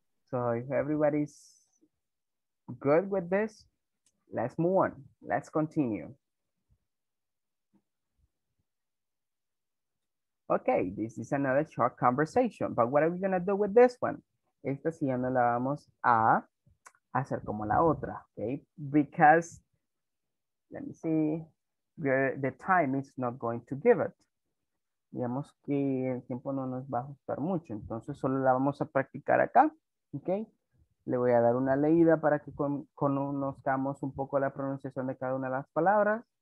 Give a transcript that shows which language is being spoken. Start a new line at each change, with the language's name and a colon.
English: So if everybody's good with this, let's move on. Let's continue. Okay, this is another short conversation, but what are we going to do with this one?
Spanish: Esta sí ya no la vamos a hacer como la otra, okay?
English: Because, let me see, the time is not going to give it.
Spanish: Digamos que el tiempo no nos va a ajustar mucho, entonces solo la vamos a practicar acá, okay? Le voy a dar una leída para que conozcamos un poco la pronunciación de cada una de las palabras.